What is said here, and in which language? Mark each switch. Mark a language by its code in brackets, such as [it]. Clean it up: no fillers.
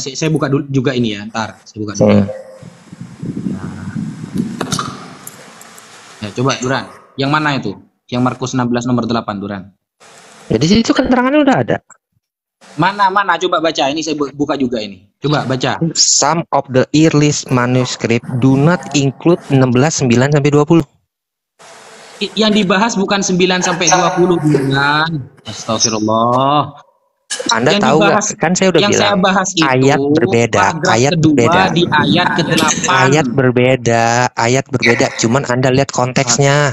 [id] Saya buka dulu juga ini ya, ntar saya buka dulu. Ya, coba Duran, yang mana itu? Yang Markus 16 nomor 8 Duran. Jadi itu keterangannya udah ada. Mana coba baca ini saya buka juga ini. Coba baca. [en] Some of the earliest manuscript do not include 16:9 sampai 20. [id] Yang dibahas bukan 9 sampai 20 Duran. Astagfirullah. Anda yang tahu dibahas, gak? Kan saya udah yang bilang saya bahas itu, ayat berbeda, ayat berbeda di ayat ke-8. Ayat berbeda, cuman Anda lihat konteksnya.